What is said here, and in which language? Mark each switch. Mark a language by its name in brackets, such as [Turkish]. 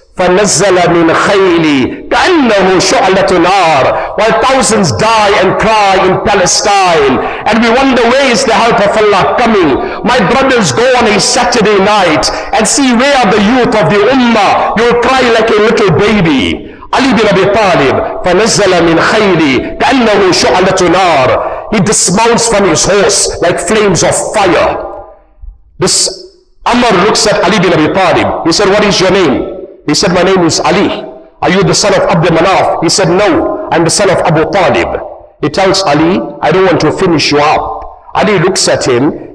[Arabic] فَنَزَّلَ مِنْ خَيْلِي كَأَنَّهُ شُعْلَةُ نَارِ. [English] While thousands die and cry in Palestine, and we wonder where is the help of Allah coming. My brothers, go on a Saturday night and see where are the youth of the Ummah. You'll cry like a little baby. [Arabic] Ali bin Abi Talib, فَنَزَّلَ مِنْ خَيْلِي كَأَنَّهُ شُعْلَةُ نَارِ. [English] He dismounts from his horse like flames of fire. This Amr looks at Ali bin Abi Talib. He said, what is your name? He said, my name is Ali. Are you the son of Abd Manaf? He said, no, I'm the son of Abu Talib. He tells Ali, I don't want to finish you up. Ali looks at him.